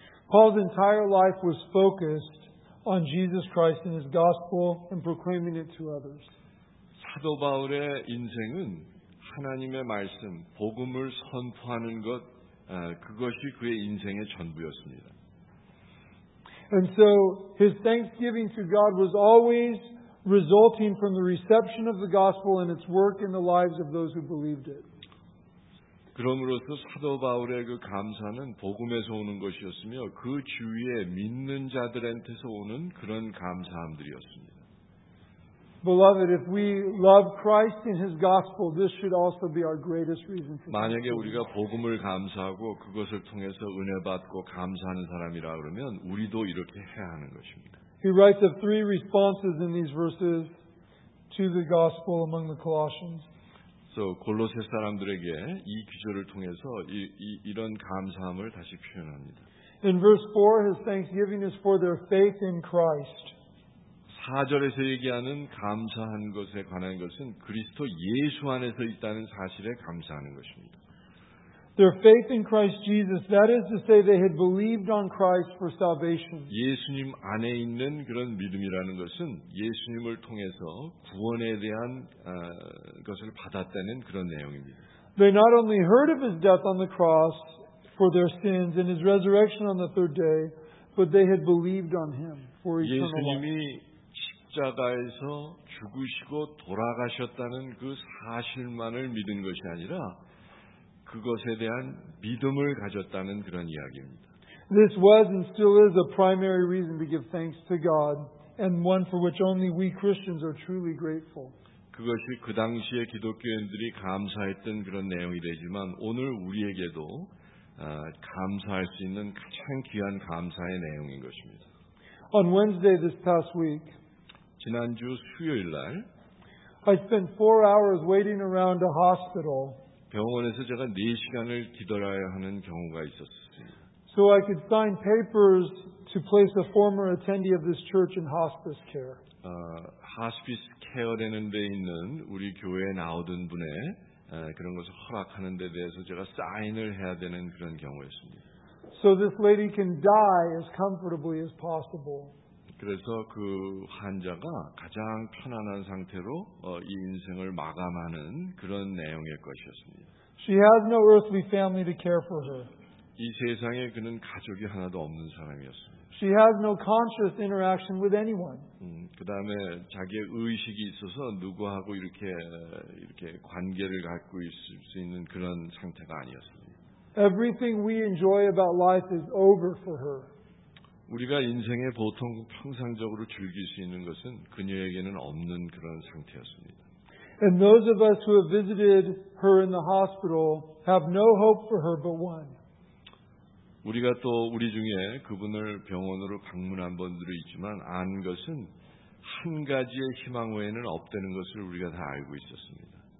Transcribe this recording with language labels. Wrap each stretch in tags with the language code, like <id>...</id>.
<en>Paul's entire life was focused on Jesus Christ and his gospel and proclaiming it to others.</en> <ko>사도 바울의 인생은 하나님의 말씀, 복음을 선포하는 것 그것이 그의 인생의 전부였습니다.</ko> <en>And so his thanksgiving to God was always resulting from the reception of the gospel and its work in the lives of those who believed it.</en> <ko>그러므로서 사도 바울의 그 감사는 복음에서 오는 것이었으며 그 주위에 믿는 자들한테서 오는 그런 감사함들이었습니다.</ko> <en>Beloved, if we love Christ and His gospel, this should also be our greatest reason for.</en> <ko>만약에 우리가 복음을 감사하고 그것을 통해서 은혜 받고 감사하는 사람이라 그러면 우리도 이렇게 해야 하는 것입니다.</ko> <en>He writes of three responses in these verses to the gospel among the Colossians.</en> <ko>골로새 사람들에게 이 기절을 통해서 이런 감사함을 다시 표현합니다.</ko> <en>In verse 4, his thanksgiving is for their faith in Christ.</en> <ko>4절에서 얘기하는 감사한 것에 관한 것은 그리스도 예수 안에서 있다는 사실에 감사하는 것입니다.</ko> <en>Their faith in Christ Jesus, that is to say they had believed on Christ for salvation.</en> <ko>예수님 안에 있는 그런 믿음이라는 것은 예수님을 통해서 구원에 대한 것을 받았다는 그런 내용입니다.</ko> <en>They not only heard of his death on the cross for their sins and his resurrection on the third day, but they had believed on him for eternal life.</en> <ko>예수님이 십자가에서 죽으시고 돌아가셨다는 그 사실만을 믿은 것이 아니라 그것에 대한 믿음을 가졌다는 그런 이야기입니다.</ko> <en>This was and still is a primary reason to give thanks to God and one for which only we Christians are truly grateful.</en> <ko>그것이 그 당시에 기독교인들이 감사했던 그런 내용이 되지만 오늘 우리에게도 감사할 수 있는 가장 귀한 감사의 내용인 것입니다.</ko> <en>On Wednesday this past week</en> <ko>지난주 수요일 날</ko> <en>I spent 4 hours waiting around a hospital</en> <ko>병원에서 제가 4시간을 기다려야 하는 경우가 있었습니다.</ko> <en>So I could sign papers to place a former attendee of this church in hospice care.</en> <ko>하스피스 케어라는 데 있는 우리 교회에 나오던 분의 그런 것을 허락하는 데 대해서 제가 사인을 해야 되는 그런 경우였습니다.</ko> <en>So this lady can die as comfortably as possible.</en> <ko>그래서 그 환자가 가장 편안한 상태로 이 인생을 마감하는 그런 내용의 것이었습니다.</ko> <en>She has no earthly family to care for her.</en> <ko>이 세상에 그는 가족이 하나도 없는 사람이었습니다.</ko> <en>She has no conscious interaction with anyone.</en> <ko>그 다음에 자기의 의식이 있어서 누구하고 이렇게 관계를 갖고 있을 수 있는 그런 상태가 아니었습니다.</ko> <en>Everything we enjoy about life is over for her.</en> <ko>우리가 인생에 보통 평상적으로 즐길 수 있는 것은 그녀에게는 없는 그런 상태였습니다.</ko> <en>And those of us who have visited her in the hospital have no hope for her but one.</en> <ko>우리가 또 우리 중에 그분을 병원으로 방문한 분들이 있지만 안 것은 한 가지의 희망 외에는 없다는 것을 우리가 다 알고 있었습니다.</ko>